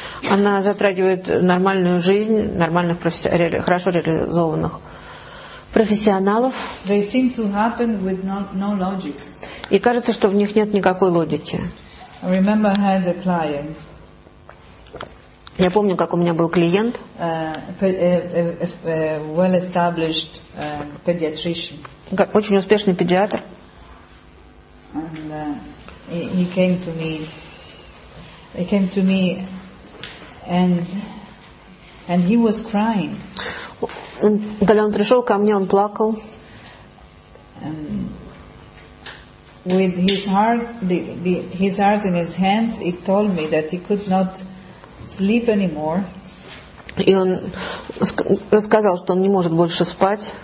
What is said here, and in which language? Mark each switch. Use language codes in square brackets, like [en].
[ru] Она затрагивает нормальную жизнь нормальных хорошо реализованных профессионалов. [en] They seem to happen with no logic. [ru] И кажется, что в них нет никакой логики. [en] I remember I had a client. [ru] Я помню, как у меня был клиент. [en] Well-established pediatrician. [ru] Очень успешный педиатр. [en] And he came to me. He came to me and he was crying. [ru] Когда он пришел ко мне, он плакал. [en] With his heart, his heart in his hands, he told me that he could not sleep anymore. [ru] И он рассказал, что он не может больше спать.